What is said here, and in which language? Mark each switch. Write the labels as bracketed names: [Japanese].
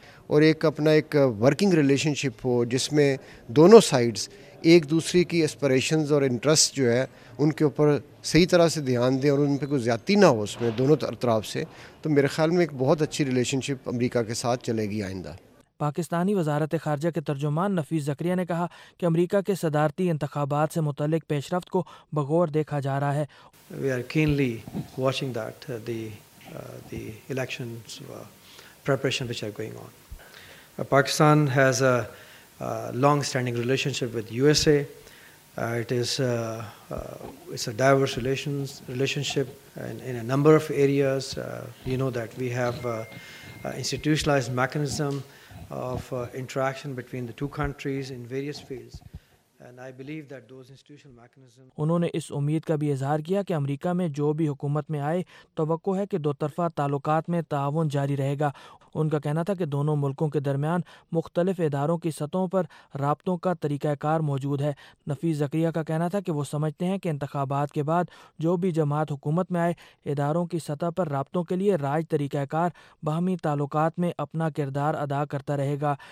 [Urdu] اور ایک اپنا ایک ورکنگ ریلیشن شپ ہو جس میں دونوں سائڈز ایک دوسرے کی اسپریشنز اور انٹرسٹ جو ہے ان کے اوپر صحیح طرح سے دھیان دیں، اور ان پہ کوئی زیادتی نہ ہو اس میں دونوں اطراف سے، تو میرے خیال میں ایک بہت اچھی ریلیشن شپ امریکہ کے ساتھ چلے گی آئندہ۔ پاکستانی وزارت خارجہ کے ترجمان نفیس زکریا نے کہا کہ امریکہ کے صدارتی انتخابات سے متعلق پیش رفت کو بغور دیکھا جا رہا ہے۔ [English] We are keenly watching that, the elections preparation which are going on. Pakistan has a long-standing relationship with USA. It's a diverse relationship in a number of areas. You know that we have an institutionalized mechanism of interaction between the two countries in various fields. And I believe that those institutional mechanisms... [Urdu] انہوں نے اس امید کا بھی اظہار کیا کہ امریکہ میں جو بھی حکومت میں آئے توقع ہے کہ دو طرفہ تعلقات میں تعاون جاری رہے گا. ان کا کہنا تھا کہ دونوں ملکوں کے درمیان مختلف اداروں کی سطحوں پر رابطوں کا طریقہ کار موجود ہے. نفیس زکریا کا کہنا تھا کہ وہ سمجھتے ہیں کہ انتخابات کے بعد جو بھی جماعت حکومت میں آئے اداروں کی سطح پر رابطوں کے لیے راج طریقہ کار باہمی تعلقات میں اپنا کردار ادا کرتا رہے گا.